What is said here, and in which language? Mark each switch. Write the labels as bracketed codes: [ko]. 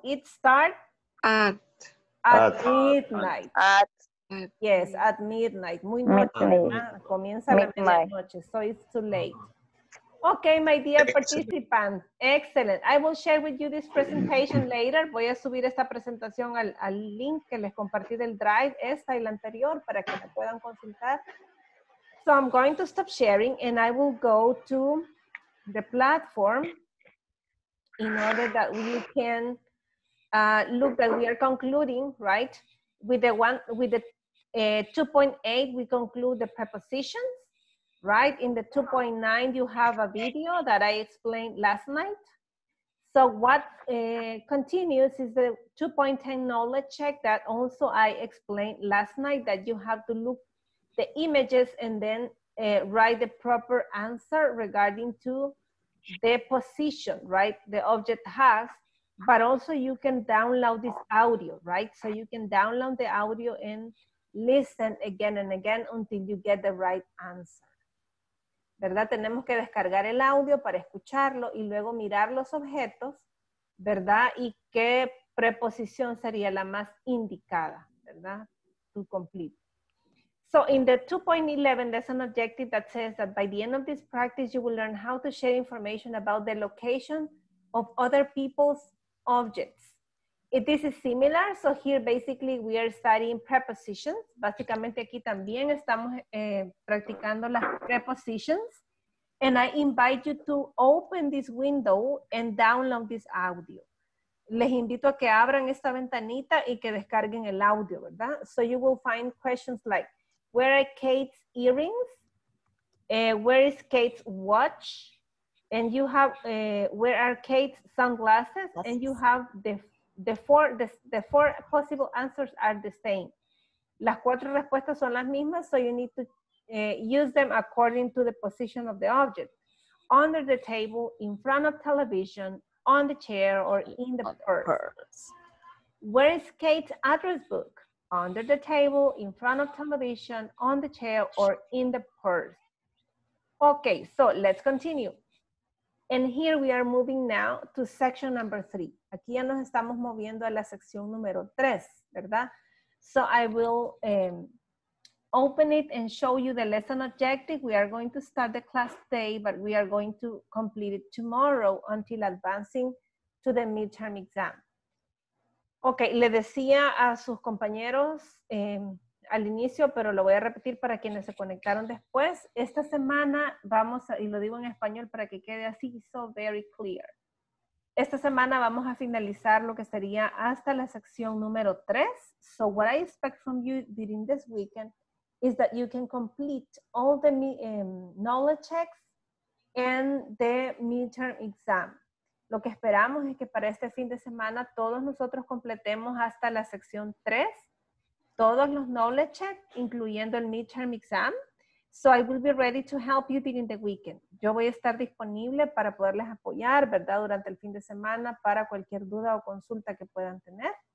[en] It starts at midnight. Yes, at midnight. [es] Muy noche. Comienza a medianoche. [en] So it's too late. Okay, my dear participant. Excellent. I will share with you this presentation later. [es] Voy a subir esta presentación al link que les compartí del Drive, esta y la anterior, para que la puedan consultar. [en] So I'm going to stop sharing and I will go to the platform in order that we can look that we are concluding, right? With the 2.8, we conclude the prepositions, right? In the 2.9, you have a video that I explained last night. So what continues is the 2.10 knowledge check that also I explained last night, that you have to look the images and then write the proper answer regarding to the position, right? The object has. But also you can download this audio, right? So you can download the audio and listen again and again until you get the right answer. [es] ¿Verdad? Tenemos que descargar el audio para escucharlo y luego mirar los objetos, ¿verdad? Y qué preposición sería la más indicada, ¿verdad? [en] To complete. So in the 2.11, there's an objective that says that by the end of this practice, you will learn how to share information about the location of other people's objects. If this is similar, so here basically we are studying prepositions. [es] Básicamente aquí también estamos practicando las prepositions. [en] And I invite you to open this window and download this audio. [es] Les invito a que abran esta ventanita y que descarguen el audio, ¿verdad? [en] So you will find questions like, where are Kate's earrings? Where is Kate's watch? And you have, where are Kate's sunglasses? And you have the four possible answers are the same. [es] Las cuatro respuestas son las mismas, [en] so you need to use them according to the position of the object. Under the table, in front of television, on the chair, or in the purse. Where is Kate's address book? Under the table, in front of television, on the chair, or in the purse. Okay, so let's continue. And here we are moving now to section number 3. [es] Aquí ya nos estamos moviendo a la sección número 3, ¿verdad? [en] So I will open it and show you the lesson objective. We are going to start the class today, but we are going to complete it tomorrow until advancing to the midterm exam. [es] Okay, le decía a sus compañeros al inicio, pero lo voy a repetir para quienes se conectaron después. Esta semana vamos a, y lo digo en español para que quede así, [en] so very clear. [es] Esta semana vamos a finalizar lo que sería hasta la sección número 3. [en] So what I expect from you during this weekend is that you can complete all the knowledge checks and the midterm exam. [es] Lo que esperamos es que para este fin de semana todos nosotros completemos hasta la sección 3. Todos los knowledge checks, incluyendo el midterm exam. [en] So I will be ready to help you during the weekend. [es] Yo voy a estar disponible para poderles apoyar, ¿verdad? Durante el fin de semana para cualquier duda o consulta que puedan tener.